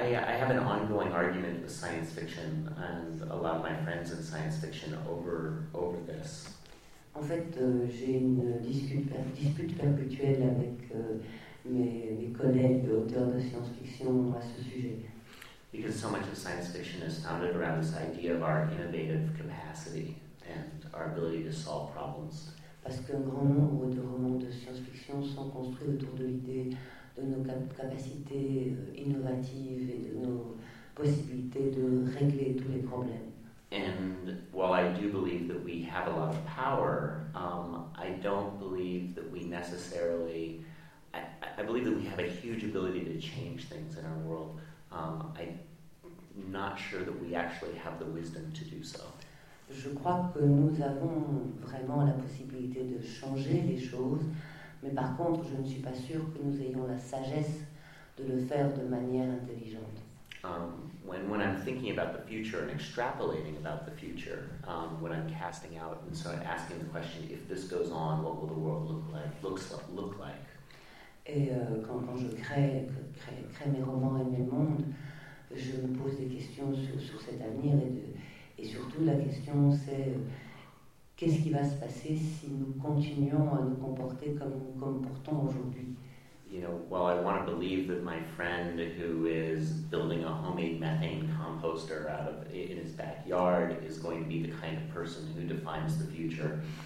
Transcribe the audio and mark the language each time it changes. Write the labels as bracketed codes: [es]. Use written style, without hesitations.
[en] I have an ongoing argument with science fiction and a lot of my friends in science fiction over this. [fr] En fait, j'ai une dispute perpétuelle avec mes collègues auteurs de science-fiction à ce sujet. [en] Because so much of science fiction is founded around this idea of our innovative capacity and our ability to solve problems. [fr] parce qu'un grand nombre de romans de science-fiction sont construits autour de l'idée de nos capacités innovatives et de nos possibilités de régler tous les problèmes. [en] And while I do believe that we have a lot of power, I don't believe that we necessarily... I believe that we have a huge ability to change things in our world. I'm not sure that we actually have the wisdom to do so. [fr] Je crois que nous avons vraiment la possibilité de changer les choses, mais par contre, je ne suis pas sûre que nous ayons la sagesse de le faire de manière intelligente. [en] When I'm thinking about the future and extrapolating about the future, when I'm casting out and so I'm asking the question, if this goes on, what will the world look like? [fr] Et quand je crée mes romans et mes mondes, je me pose des questions sur cet avenir et surtout la question c'est qu'est-ce qui va se passer si nous continuons à nous comporter comme nous comportons aujourd'hui. [en] You know, while I want to believe that my friend who is building a homemade methane composter out of in his backyard is going to be the kind of person who defines the future.